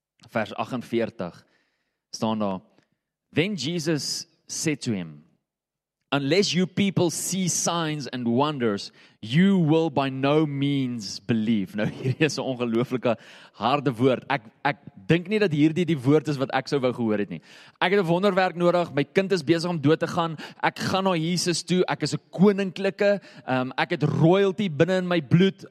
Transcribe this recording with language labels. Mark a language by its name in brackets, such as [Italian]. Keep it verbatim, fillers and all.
[Afrikaans] Vers [English] forty-eight [Afrikaans] staan daar, [English] Then Jesus said to him, Unless you people see signs and wonders, you will by no means believe. [Afrikaans] Nou hierdie is 'n ongelooflike harde woord. Ek ek dink nie dat hierdie die woord is wat ek sou wou gehoor het nie. Ek het 'n wonderwerk nodig. My kind is besig om dood te gaan. Ek gaan na Jesus toe. Ek is 'n koninklike. Um, ek het royalty binne in my bloed.